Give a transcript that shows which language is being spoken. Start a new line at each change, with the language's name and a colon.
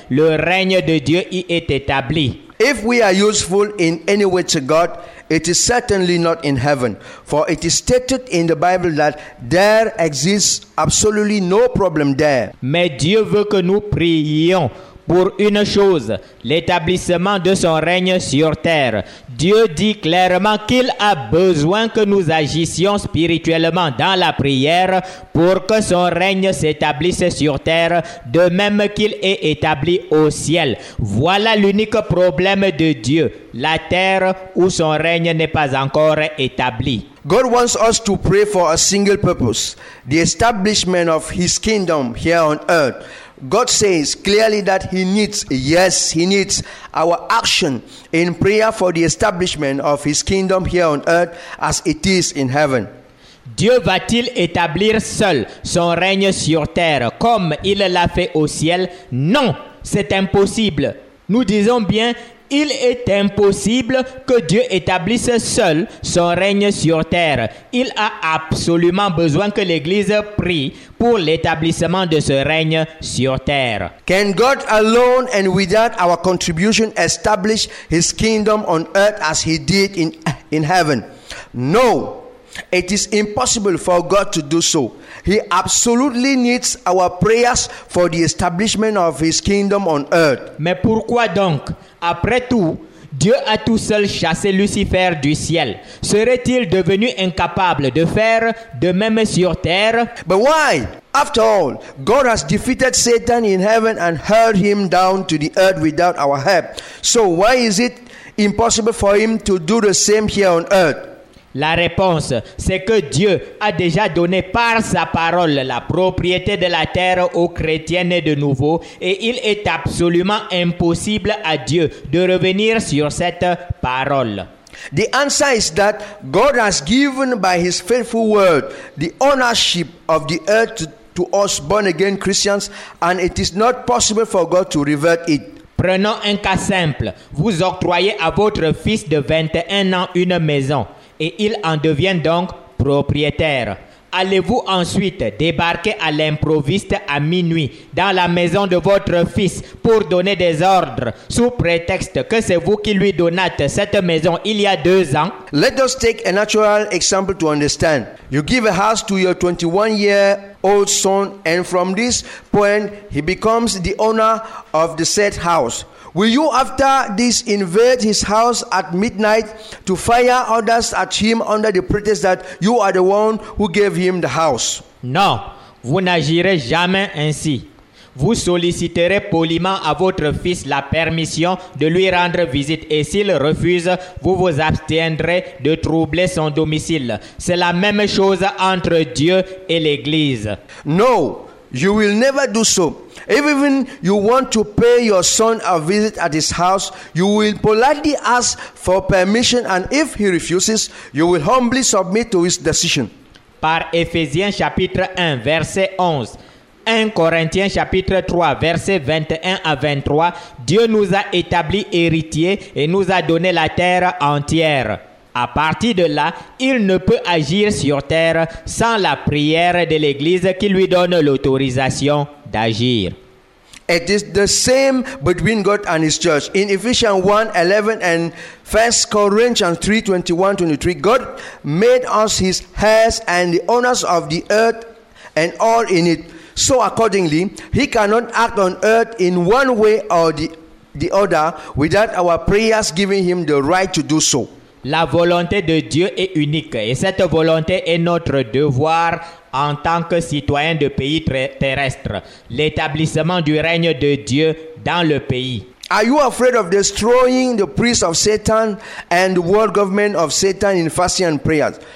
French: Le règne de Dieu y est établi.
English: If we are useful in any way to God, it is certainly not in heaven, for it is stated in the Bible that there exists absolutely no problem there.
French: Mais Dieu veut que nous prions pour une chose, l'établissement de son règne sur terre. Dieu dit clairement qu'il a besoin que nous agissions spirituellement dans la prière pour que son règne s'établisse sur terre, de même qu'il est établi au ciel. Voilà l'unique problème de Dieu, la terre où son règne n'est pas encore établi.
English: God wants us to pray for a single purpose, the establishment of his kingdom here on earth. God says clearly that he needs our action in prayer for the establishment of his kingdom here on earth as it is in heaven.
French: Dieu va-t-il établir seul son règne sur terre comme il l'a fait au ciel? Non, c'est impossible. Nous disons bien, il est impossible que Dieu établisse seul son règne sur terre. Il a absolument besoin que l'Église prie pour l'établissement de ce règne sur terre.
English: Can God alone and without our contribution establish his kingdom on earth as he did in heaven? No, it is impossible for God to do so. He absolutely needs our prayers for the establishment of his kingdom on earth.
French: Mais pourquoi donc? Après tout, Dieu a tout seul chassé Lucifer du ciel. Serait-il devenu incapable de faire de même sur terre?
English: But why? After all, God has defeated Satan in heaven and hurled him down to the earth without our help. So why is it impossible for him to do the same here on earth?
French: La réponse, c'est que Dieu a déjà donné par sa parole la propriété de la terre aux chrétiens nés de nouveau et il est absolument impossible à Dieu de revenir sur cette parole.
English: The answer is that God has given by his faithful word the ownership of the earth to us born again Christians and it is not possible for God to revert it.
French: Prenons un cas simple. Vous octroyez à votre fils de 21 ans une maison. Et il en devient donc propriétaire. Allez-vous ensuite débarquer à l'improviste à minuit dans la maison de votre fils pour donner des ordres sous prétexte que c'est vous qui lui donnâtes cette maison il y a 2 ans?
English: Let us take a natural example to understand. You give a house to your 21-year-old son and from this point he becomes the owner of the said house. Will you after this invade his house at midnight to fire others at him under the pretext that you are the one who gave him the house?
French: Non, vous n'agirez jamais ainsi. Vous solliciterez poliment à votre fils la permission de lui rendre visite et s'il refuse, vous vous abstiendrez de troubler son domicile. C'est la même chose entre Dieu et l'Église.
English: No, you will never do so. If even you want to pay your son a visit at his house, you will politely ask for permission and if he refuses, you will humbly submit to his decision.
French: Par Éphésiens chapitre 1 verset 11, 1 Corinthiens chapitre 3 verset 21 à 23, Dieu nous a établi héritiers et nous a donné la terre entière. À partir de là, il ne peut agir sur terre sans la prière de l'Église qui lui donne l'autorisation d'agir.
English: It is the same between God and his church. In Ephesians 1:11 and 1 Corinthians 3:21-23, God made us his heirs and the owners of the earth and all in it. So accordingly, he cannot act on earth in one way or the other without our prayers giving him the right to do so.
French: La volonté de Dieu est unique et cette volonté est notre devoir en tant que citoyen de pays terrestre, l'établissement du règne de Dieu dans le pays.
English: Are you afraid of destroying the priest of Satan and the world government of Satan in fasting and prayers?